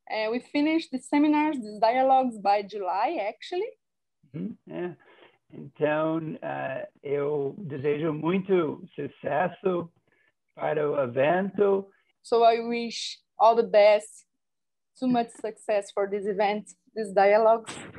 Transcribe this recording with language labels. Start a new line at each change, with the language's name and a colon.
English: We finished the seminars, the dialogues by July, actually.
Portuguese: Então, eu desejo muito sucesso para o evento.
English: So I wish all the best, too much success for this event, this dialogue.